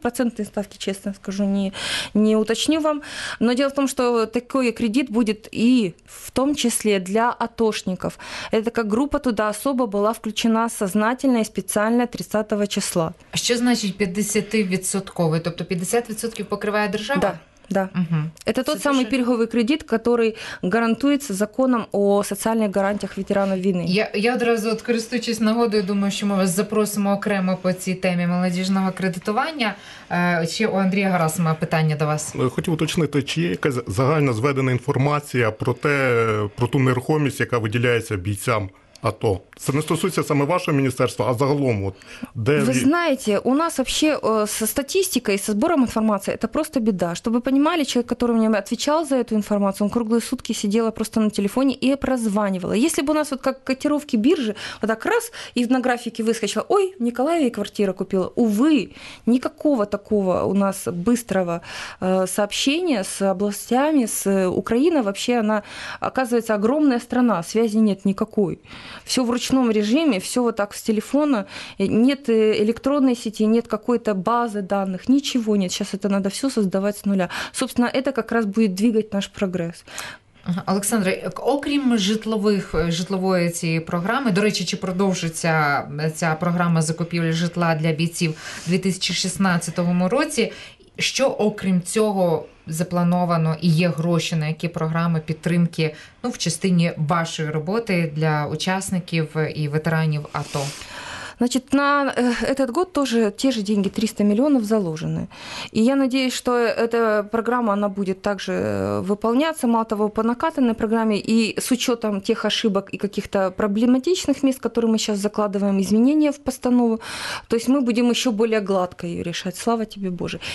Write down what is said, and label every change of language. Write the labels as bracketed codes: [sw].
[ru] Процентные ставки, честно скажу, не уточню вам. Но дело в том, что такой кредит будет и в том числе для атошников. Это как группа туда особо была включена сознательно и специально 30 числа. А что значит 50-відсотково? [uk] Тобто 50% покриває держава? [ru] Да. Да. Угу. Это тот самый [uk] пільговий кредит, [ru] который [uk] гарантується законом о соціальних гарантіях ветеранів війни. Я одразу, от, користуючись нагодою, думаю, що ми вас запросимо окремо по цій темі молодіжного кредитування. Ще у Андрія Гарасима питання до вас. Хотів уточнити, чи є якась загально зведена інформація про те, про ту нерухомість, яка виділяється бійцям АТО? Це не стосується саме вашого міністерства, а загалом. От, де... Ви знаєте, у нас взагалі зі статистикою, зі збором інформації, це просто біда. Щоб ви розуміли, чоловік, який мені відповідав за цю інформацію, він круглі сутки сиділа просто на телефоні і прозванювала. Якщо б у нас от, як котировки біржі, отак раз, і на графіки вискочила, ой, в Николаєві квартира купила. Уви, ніякого такого у нас швидкого сообщення з областями, з Україною, взагалі, вона, [ru] оказывается, огромна страна, связи нет никакой. Все в ручном режиме, все вот так с телефона, нет электронной сети, нет какой-то базы данных, ничего нет. Сейчас это надо все создавать с нуля. Собственно, это как раз будет двигать наш прогресс. [uk] Олександре, окрім житлової цієї програми, до речі, чи продовжиться ця програма закупівлі житла для бійців у 2016 році, що окрім цього заплановано і є гроші на які програми підтримки, ну, в частині вашої роботи для учасників і ветеранів АТО? [ru] Значит, на этот год тоже те же деньги, 300 миллионов, заложены. И я надеюсь, что эта программа, она будет также выполняться, мало того, по накатанной программе, и с учетом тех ошибок и каких-то проблематичных мест, которые мы сейчас закладываем, изменения в постанову, то есть мы будем еще более гладко ее решать. Слава тебе, Боже.